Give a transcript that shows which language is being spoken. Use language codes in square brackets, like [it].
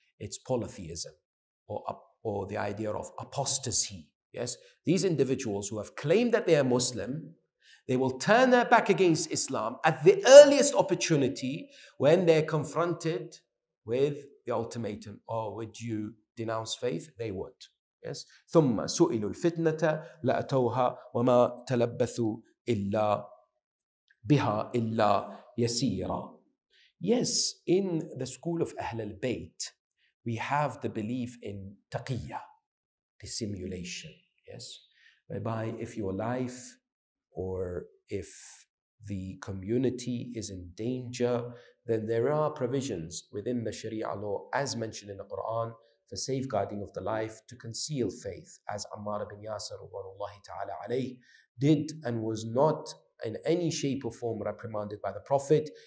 [en] It's polytheism, or the idea of apostasy. Yes, these individuals who have claimed that they are Muslim, they will turn their back against Islam at the earliest opportunity when they're confronted with the ultimatum. Oh, would you denounce faith? They would. Yes. [ar] ثم سئلوا الفتنة لأتوها وما تلبثوا إلا بها إلا يسيرا. [en] Yes, in the school of Ahl al-Bayt, we have the belief in taqiyya, dissimulation. Yes, whereby if your life or if the community is in danger, then there are provisions within the Sharia law, as mentioned in the Quran, for safeguarding of the life, to conceal faith, as Ammar ibn Yasir radiyallahu ta'ala alayhi did, and was not in any shape or form reprimanded by the Prophet.